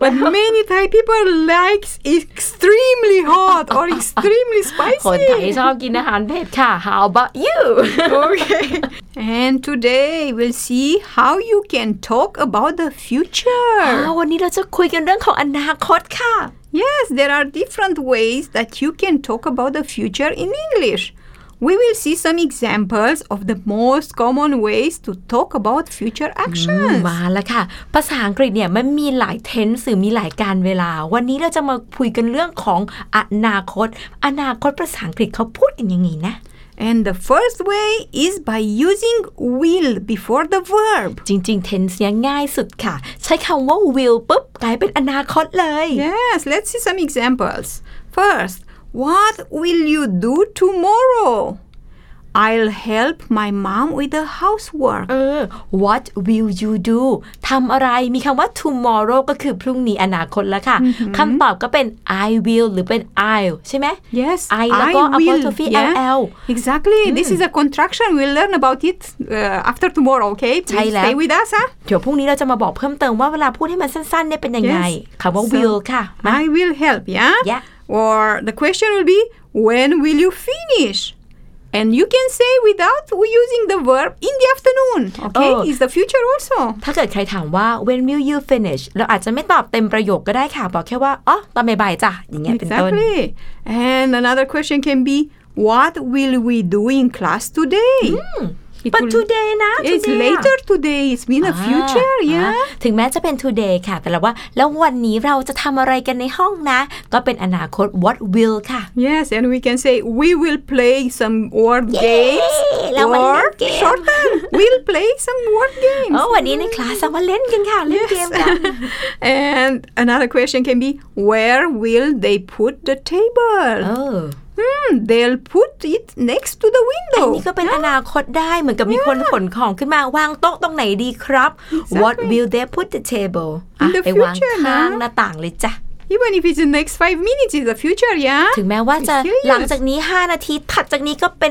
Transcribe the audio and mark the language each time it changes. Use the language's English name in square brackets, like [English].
[English] But many Thai people like extremely hot or extremely spicy. [Thai] คนไทยชอบกินอาหารเผ็ดค่ะ [English] How about you? Okay. And today we'll see how you can talk about the future. [Thai] วันนี้เราจะคุยกันเรื่องของอนาคตค่ะ [English] Yes, there are different ways that you can talk about the future in English. We will see some examples of the most common ways to talk about future actions. [Thai] มาแล้วค่ะภาษาอังกฤษเนี่ยมันมีหลายเทนส์หรือมีหลายการเวลาวันนี้เราจะมาคุยกันเรื่องของอนาคตอนาคตภาษาอังกฤษเขาพูดกันยังไงนะ [English] And the first way is by using will before the verb. [Thai] จริงๆเทนส์เนี่ยง่ายสุดค่ะใช้คำว่า will ปุ๊บกลายเป็นอนาคตเลย [English] Yes, let's see some examples. First,What will you do tomorrow? I'll help my mom with the housework. What will you do? [Thai] ทำอะไรมีคำว่า tomorrow ก็คือพรุ่งนี้อนาคตแล้วค่ะ mm-hmm. คำตอบก็เป็น I will หรือเป็น I'll ใช่ไหม [English] Yes, I will. Apostrophe yeah. L-L. Exactly. Mm. This is a contraction. We'll learn about it after tomorrow, okay? Please stay with us. [Thai] เดี๋ยวพรุ่งนี้เราจะมาบอกเพิ่มเติมว่าเวลาพูดให้มันสั้นๆเนี่ยเป็นยังไงคำว่า will ค่ ะ [English] I will help, yeah? Yeah. Or the question will be, when will you finish? And you can say without using the verb in the afternoon. Okay, is the future also. [Thai] ถ้าเกิดใครถามว่า [English] when will you finish? [Thai] เราอาจจะไม่ตอบเต็มประโยคก็ได้ค่ะบอกแค่ว่าอ๋อตอนบ่ายจ้ะอย่างเงี้ยเป็นต้น [English] Exactly. And another question can be, what will we do in class today? But today นะ today It's later today. It's been a future, yeah. [Thai] ถึงแม้จะเป็น today ค่ะแต่เราว่าแล้ววันนี้เราจะทำอะไรกันในห้องนะก็เป็นอนาคต What will ค่ะ [English] Yes, and we can say we will play some word games or short term. We'll play some word games. [Thai] วันนี้ในคลาสเราเล่นกันค่ะเล่นเกมกัน [English] And another question can be where will they put the table? They'll put it next to the window. [Thai] อันนี้ก็เป็น อนาคตได้เหมือนกับ มีคนขนของขึ้นมาวางโต๊ะตรงไหนดีครับ [English] exactly. What will they put the table? In the future, [Thai] ไปวางข้างหน้าต่างเลยจ้ะ [English] Even if it's the next 5 minutes, it's the future, yeah? [Thai] ถึงแม้ว่าจะหลังจากนี้5นาทีถัดจากนี้ก็เป็น